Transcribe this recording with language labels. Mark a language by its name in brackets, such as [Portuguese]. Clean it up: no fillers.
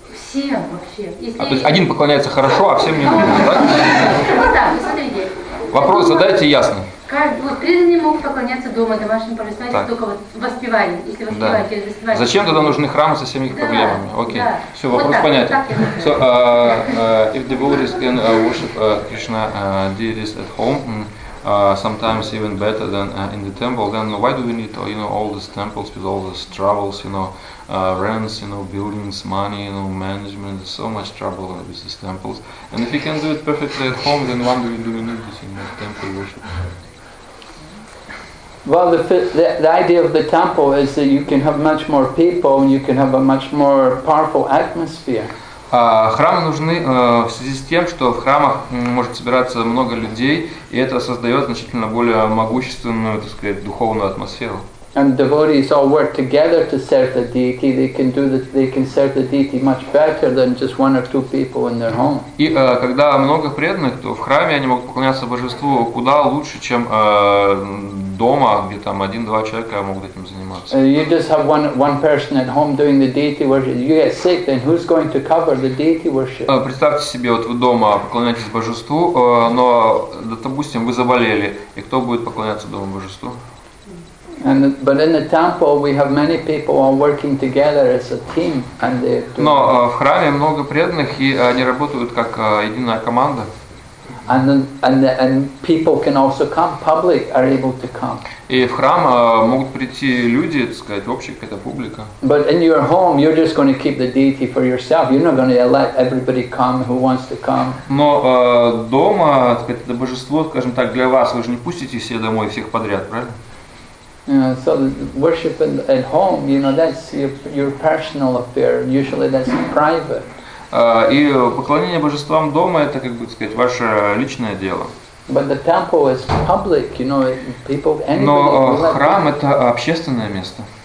[Russian] Всем вообще. Если то есть один поклоняется хорошо, а всем не нужен, да? Ну да, посмотрите. Вопрос задайте ясно. Вот преданные могут поклоняться дома, домашним поместом, только вот воспевали, если воспевали, да. Или воспевали. Зачем тогда нужны храмы со всеми их проблемами? Окей, да. Все, вопрос вот так, понятен. Вот [English] so, if the devotees can worship Krishna deities at home, sometimes even better than in the temple, then why do we need, you know, all these temples with all these troubles, you know, rents, you know, buildings, money, you know, management, so much trouble with these temples. And if we can do it perfectly at home, then why do we need this, you know, temple worship? Well, the idea of the temple is that you can have much more people and you can have a much more powerful atmosphere. [Russian] Храмы нужны в связи с тем, что в храмах может собираться много людей, и это создает значительно более могущественную, так сказать, духовную атмосферу. [English] And devotees all work together to serve the deity. They can do that. They can serve the deity much better than just one or two people in their home. [Russian] И когда много преданных, то в храме они могут поклоняться божеству куда лучше, чем дома, где там один-два человека могут этим заниматься. [English] You just have one person at home doing the deity worship. You get sick, then who's going to cover the deity worship? [Russian] Представьте себе, вот вы дома поклоняетесь божеству, но, допустим, вы заболели, и кто будет поклоняться дома божеству? [English] But in the temple, we have many people all working together as a team, and they. [Russian] Но в храме много преданных, и они работают как единая команда. [English] And people can also come. Public are able to come. [Russian] И в храм могут прийти люди, так сказать, общая какая-то публика. [English] But in your home, you're just going to keep the deity for yourself. You're not going to let everybody come who wants to come. [Russian] Но дома, так сказать, это божество, скажем так, для вас. Вы же не пустите все домой всех подряд, правильно? [English] So worship at home, you know, that's your personal affair. Usually that's private. [Russian] И поклонение божествам дома это, как бы сказать, ваше личное дело. [English] But the temple is public, you know, people, anybody. [Russian] Но храм это общественное место.